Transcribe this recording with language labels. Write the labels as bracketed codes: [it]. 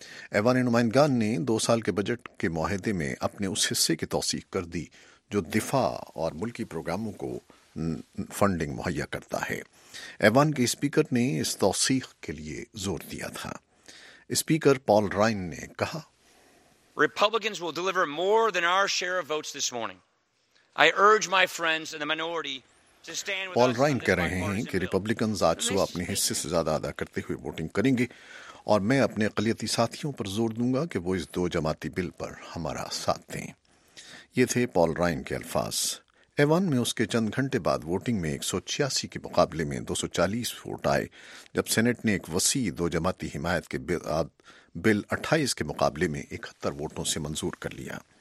[ur] ایوان نمائندگان نے 2 سال کے بجٹ کے معاہدے میں اپنے اس حصے کی توسیع کر دی جو دفاع اور ملکی پروگراموں کو فنڈنگ مہیا کرتا ہے. ایوان کے اسپیکر نے اس توثیق کے لیے زور دیا تھا. اسپیکر پال رائن نے کہا, [en] Republicans will deliver more than our share of votes this morning. I urge my friends in the minority to stand with us. [ur] Pal Ryan کہہ رہے ہیں کہ ریپبلکنز آج صبح اپنے حصے سے زیادہ ادا کرتے ہوئے ووٹنگ کریں گے, اور میں اپنے اقلیتی ساتھیوں پر زور دوں گا کہ وہ اس 2 جماعتی بل پر ہمارا ساتھ دیں. یہ تھے پال رائن کے الفاظ. ایوان میں اس کے چند گھنٹے بعد ووٹنگ میں 186 کے مقابلے میں 240 ووٹ آئے, جب سینٹ نے ایک وسیع 2 جماعتی حمایت کے بعد بل 28 کے مقابلے میں 71 ووٹوں سے منظور کر لیا.